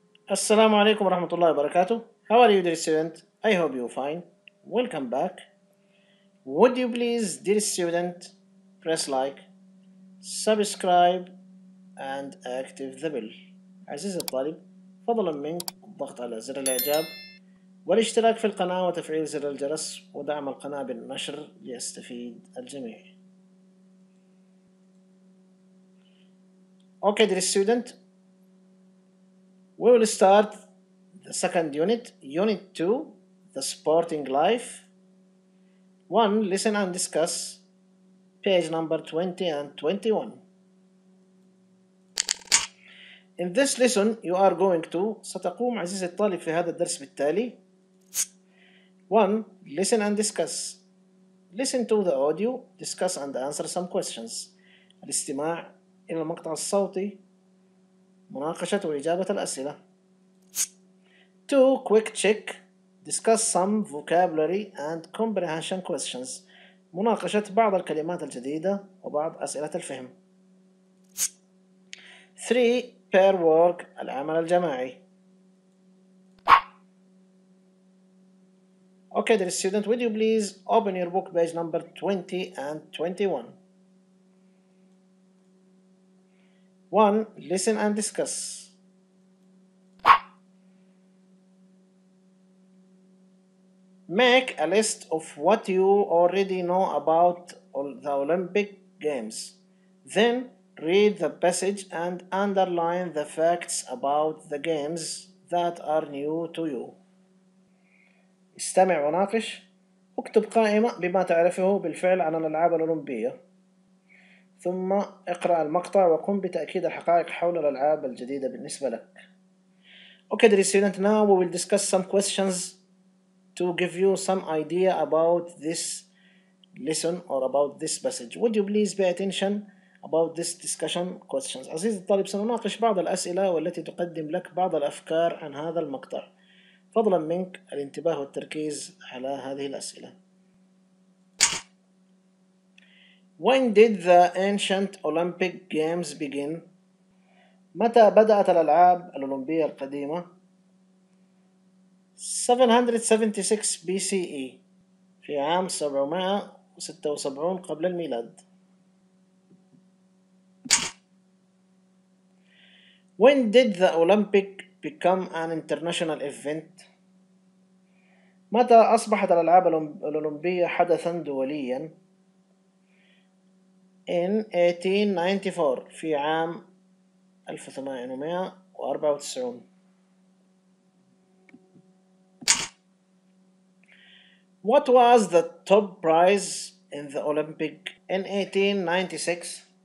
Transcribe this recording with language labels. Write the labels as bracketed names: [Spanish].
[Arabic] السلام عليكم ورحمة الله وبركاته. [English] How are you, dear student? I hope you're fine. Welcome back. Would you please, dear student, press like, subscribe, and active the bell. [Arabic] عزيزي الطالب، فضلا منك الضغط على زر الإعجاب والاشتراك في القناة وتفعيل زر الجرس ودعم القناة بالنشر ليستفيد الجميع. [English] Okay, dear student. We will start the second unit, Unit 2, The Sporting Life. 1. Listen and discuss, page number 20 and 21. In this lesson, you are going to, [Arabic] ستقوم عزيزي الطالب في هذا الدرس بالتالي. [English] 1. Listen and discuss. Listen to the audio, discuss and answer some questions. [Arabic] الاستماع إلى المقطع الصوتي, مناقشة وإجابة الأسئلة. [English] 2. Quick check. Discuss some vocabulary and comprehension questions. [Arabic] مناقشة بعض الكلمات الجديدة وبعض أسئلة الفهم. [English] 3. Pair work. [Arabic] العمل الجماعي. [English] Okay, dear student, would you please open your book page number 20 and 21. 1. Listen and discuss. Make a list of what you already know about the Olympic Games. Then read the passage and underline the facts about the games that are new to you. [Arabic] استمع وناقش. اكتب قائمة بما تعرفه بالفعل عن الألعاب الأولمبية. ثم اقرأ المقطع وقم بتأكيد الحقائق حول الألعاب الجديدة بالنسبة لك. [English] Okay, dear student, now we will discuss some questions to give you some idea about this lesson or about this passage. Would you please pay attention about this discussion questions? [Arabic] عزيزي الطالب، سنناقش بعض الأسئلة والتي تقدم لك بعض الأفكار عن هذا المقطع. فضلا منك الانتباه والتركيز على هذه الأسئلة. [English] When did the ancient Olympic Games begin? [Arabic] متى بدأت الألعاب الأولمبية القديمة؟ 776 BCE في عام 776 قبل الميلاد. [English] When did the Olympic become an international event? [Arabic] متى أصبحت الألعاب الأولمبية حدثا دوليا؟ [English] In 1894 [Arabic] في عام 1894. [English] What was the top prize in the Olympic in 1896?